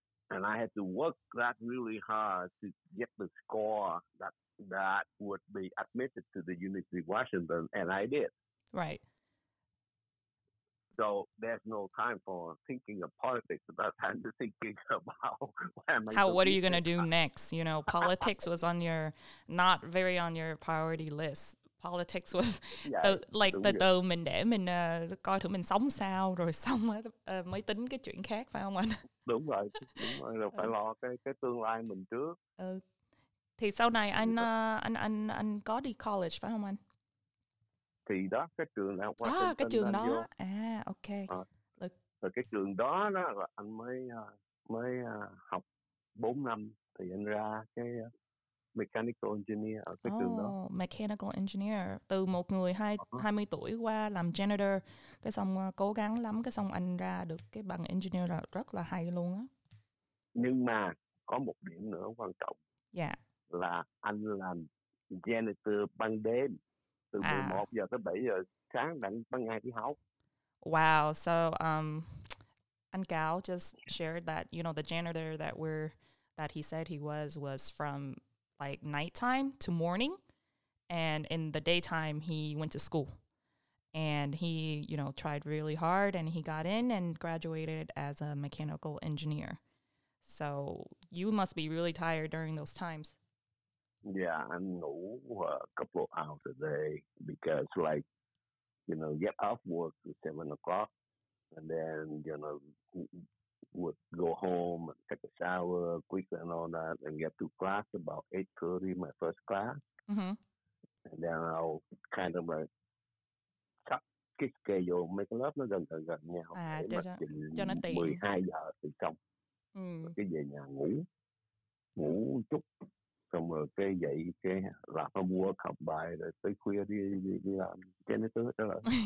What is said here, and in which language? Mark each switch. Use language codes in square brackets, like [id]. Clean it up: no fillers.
[en] And I had to work that really hard to get the score that would be admitted to the University of Washington, and I did. Right. So there's no time for thinking of politics. About time to thinking about what are you going to do next? You know, politics was on your, not very on your priority list. Politics was [vi] mình coi thử mình sống sao rồi xong mới tính cái chuyện khác phải không anh? Đúng rồi, rồi phải lo cái tương lai mình trước. Thì sau này anh có đi college phải không anh? Thì đó cái trường nào qua cái trường đó. À, ok. Rồi cái trường đó đó là anh mới học 4 năm thì anh ra cái Mechanical Engineer ở cái trường đó. [en] Mechanical Engineer. [vi] Từ một người 20 tuổi qua làm janitor, cái xong cố gắng lắm, cái xong anh ra được cái bằng engineer là rất là hay luôn á. Nhưng mà có một điểm nữa quan trọng. Dạ. Là anh làm janitor ban đêm. Từ 11 giờ tới 7 giờ sáng đặng ban ngày đi học. [en] Wow. So, anh Cao just shared that, you know, the janitor that we're, that he said he was from like nighttime to morning, and in the daytime he went to school, and he, you know, tried really hard and he got in and graduated as a mechanical engineer. So you must be really tired during those times. Yeah, I ngủ a couple of hours a day because, like, you know, get off work at 7 o'clock, and then, you know, would go home and take a shower quick and all that, and get to class about 8:30, my first class. And then I'll kind of like [vi] chắc cái schedule mấy cái lớp nó gần nhau. Cho nó tiện. 12 giờ thì xong. Cái về nhà ngủ chút, xong rồi cái dậy cái làm homework, học bài rồi tới khuya đi làm janitor đó là.